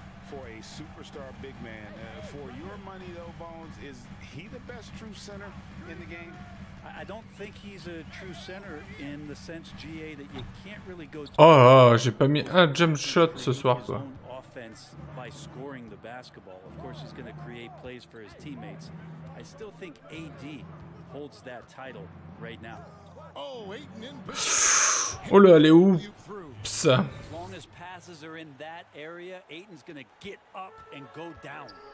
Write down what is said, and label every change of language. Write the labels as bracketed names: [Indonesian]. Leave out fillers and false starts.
[English] For a superstar big man, for your money though, Bones, is he the best true center in the game? I don't think he's a true center in the sense, GA, that you can't really go. [French] Oh, j'ai pas mis un jump shot ce soir, quoi. [English] Offense by scoring the basketball. Of course, he's going to create plays for his teammates. I still think AD holds that title right now. Oh, Aiton in. [French] Oh là, elle est oups. [English] As long as passes are in that area, Aiton's gonna get up and go down.